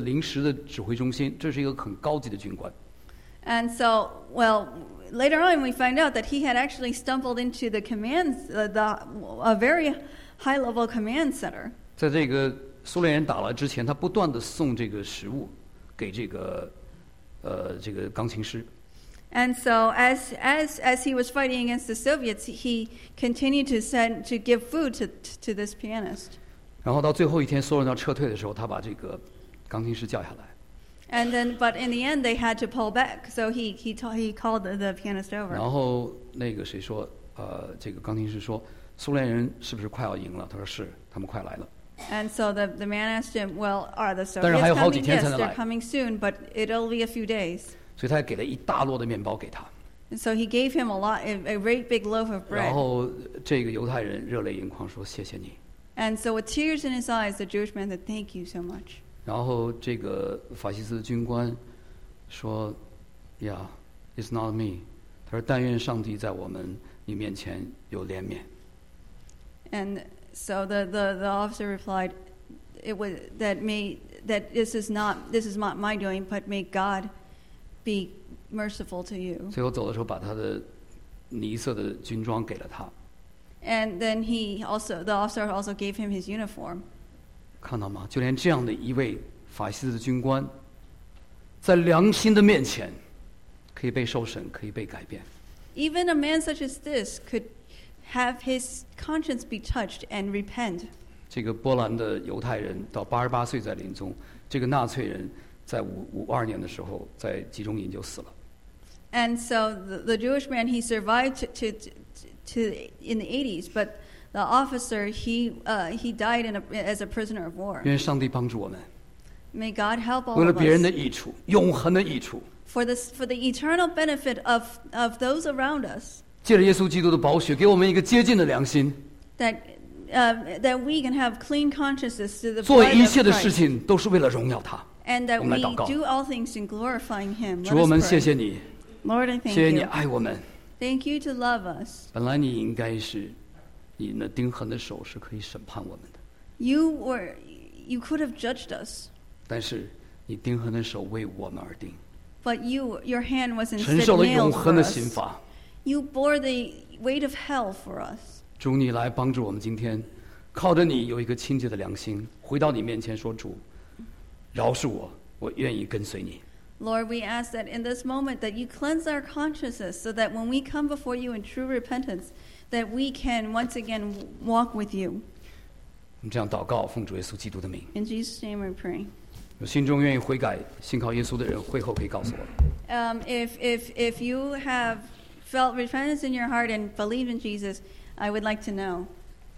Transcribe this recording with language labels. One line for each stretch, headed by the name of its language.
Chinese: 你发现这个地方原来是一个纳粹的一个临时的指挥中心, 这是一个很高级的军官。
English: And so, well, later on, we find out that he had actually stumbled into the commands, a very high-level command center.
Chinese: 在这个苏联人打了之前, 他不断地送这个食物给这个钢琴师。
English: And so as he was fighting against the Soviets, he continued to give food to this pianist.
Chinese: 然后到最后一天苏联要撤退的时候, 他把这个钢琴师叫下来。
English: And then, but in the end, they had to pull back. So he called the pianist over.
Chinese: 然后那个谁说, 这个钢琴师说, 苏联人是不是快要赢了? 他说是, 他们快来了。
English: And so the man asked him, well, are the Soviets coming? Yes, they're coming soon, but it'll be a few days.
Chinese: 所以他也给了一大摞的面包给他。
English: And so he gave him a great big loaf of bread.
Chinese: 然后这个犹太人热泪盈眶说, 谢谢你。
English: And so with tears in his eyes, the Jewish man said, thank you so much.
Chinese: 然后这个法西斯军官说,
English: yeah, it's not me.
Chinese: 他说但愿上帝在我们你面前有怜悯。
English: And so the officer replied, it was that me, that this is not my doing, but may God be merciful to you.
Chinese: 最后走的时候把他的泥色的军装给了他。
English: And then the officer also gave him his uniform.
Chinese: 看到吗? 就连这样的一位 法西斯的军官, 在良心的面前, 可以被受审, 可以被改变。
English: Even a man such as this could have his conscience be touched and repent.
Chinese: 这个波兰的犹太人到88岁在临终, 这个纳粹人在52年的时候, 在集中营就死了。And
English: so the Jewish man, he survived to in the 80s, but the officer, he died as a prisoner of war.
Chinese: 愿上帝帮助我们。
English: May God help all of us.
Chinese: 为了别人的益处, 永恒的益处,
English: for the eternal benefit of those around us.
Chinese: 借着耶稣基督的宝血, 给我们一个洁净的良心,
English: that we can have clean consciences through the blood of Christ.
Chinese: 做一切的事情都是为了荣耀他。
English: And that we do all things in glorifying him.
Chinese: 主我们谢谢你。
English: Lord, I thank you.
Chinese: 谢谢你爱我们。
English: Thank you to love us.
Chinese: 本来你应该是, 你那钉痕的手是可以审判我们的。
English: You could have judged us.
Chinese: 但是你钉痕的手为我们而钉,
English: but your hand was instead
Chinese: 承受了永恒的刑罚,
English: you bore the weight of hell for us.
Chinese: 主你来帮助我们今天, 靠着你有一个清洁的良心, 回到你面前说, 主, 饶恕我, 我愿意跟随你。
English: Lord, we ask that in this moment that you cleanse our consciences so that when we come before you in true repentance that we can once again walk with you.
Chinese: 我们这样祷告, 奉主耶稣基督的名,
English: in Jesus' name we pray.
Chinese: 有心中愿意悔改信靠耶稣的人会后可以告诉我。
English: If you have felt repentance in your heart and believe in Jesus, I would like to know.